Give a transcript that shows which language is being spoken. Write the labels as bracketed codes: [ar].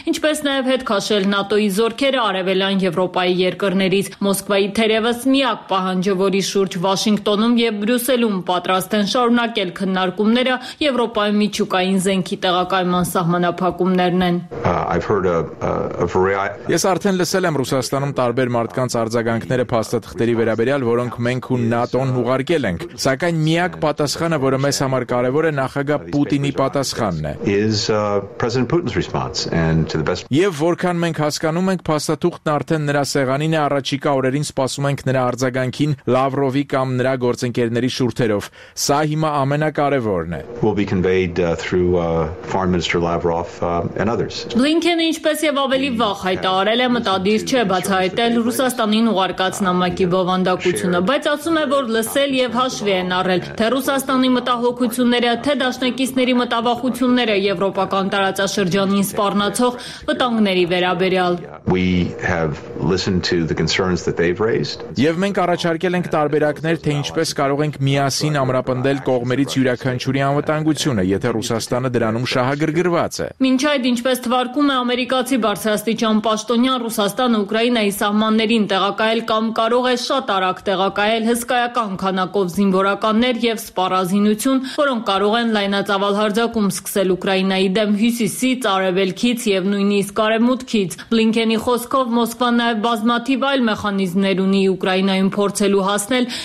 [hy] ինչպես նաև հետ քաշել ՆԱՏՕ-ի զորքերը արևելյան Եվրոպայի երկրներից։ Մոսկվայի թերևս միակ պահանջը, որի շուրջ Վաշինգտոնում եւ Բրյուսելում պատրաստ են շարունակել քննարկումները, Եվրոպայում միջուկային զենքի տեղակայման սահմանափակումներն են։ Ես արդեն լսել եմ Ռուսաստանում տարբեր մարդկանց արձագանքները փաստաթղթերի վերաբերյալ, որոնք մենք ու ՆԱՏՕ-ն ուղարկել ենք, սակայն միակ պատասխանը, որը մեզ համար կարևոր է, նախագահ Պուտինի պատասխանը [en] is President Putin's response and to the best [hy] Եվ որքան մենք հասկանում ենք, փաստաթուղթն արդեն նրա սեղանին է, առաջիկա օրերին սպասում ենք նրա արձագանքին Լավրովի կամ նրա գործընկերների շուրթերով։ Սա հիմա ամենակարևորն net. [en] Will be conveyed through Foreign Minister Lavrov and others. [hy] Blinken ինչպես եւ ավելի վաղ հայտարել է մտադիր չէ բացահայտել Ռուսաստանին ուղարկած նամակի բովանդակությունը, բայց ասում է, որ լսել եւ հաշվի են առել թե Ռուսաստանի մտահոգությունները, թե դաշնակիցների մտավախությունները եվրոպական տարածաշրջանին սպառնացող վտանգների վերաբերյալ. [en] We have listened to the concerns that they've raised. [hy] Եվ մենք առաջարկել ենք տարբերակներ, թե ինչպես կարող ենք միասին ամրապնդել կողմերից յուրաքանչյուրի անվտանգությունը, եթե Ռուսաստանը դրանում շահագրգռված է։ Մինչ այդ, ինչպես թվարկում է ամերիկացի բարձրաստիճան պաշտոնյան, Ռուսաստանը Ուկրաինայի սահմաններին տեղակայել կամ կարող է շատ արագ տեղակայել հսկայական քանակով զինվորականներ եւ սպառազինություն, որոնք կարող են լայնածավալ հարձակում սկսել Ուկրաինայի դեմ հյուսիսից, արևելքից եւ նույնիսկ արևմուտքից։ Բլինքենի խոսքով Մոսկվան նաեւ բազմաթիվ այլ մեխանիզմներ ունի Ուկրաինայում փորձելու հասնել